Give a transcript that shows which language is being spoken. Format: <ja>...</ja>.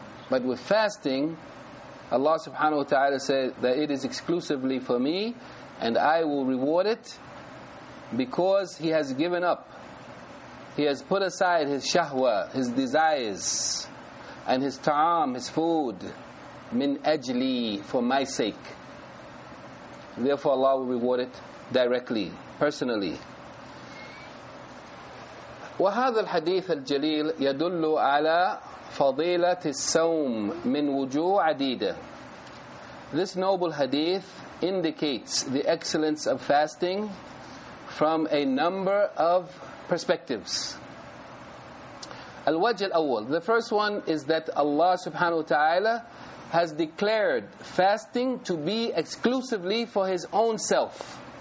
<en>But with fasting, Allah subhanahu wa ta'ala said that it is exclusively for me and I will reward it because he has given up. He has put aside his shahwa, his desires, and his ta'am, his food,</en> <ar>min ajli,</ar> <en>for my sake. Therefore Allah will reward it directly, personally.</en> <ar>وهذا الحديث الجليل يدل على فضيلة الصوم من وجوه عديدة.</ar> <en>This noble hadith indicates the excellence of fasting from a number of perspectives.</en> <ar>الوجه الأول,</ar> <en>the first one is that Allah subhanahu wa ta'ala has declared fasting to be exclusively for his own self.</en>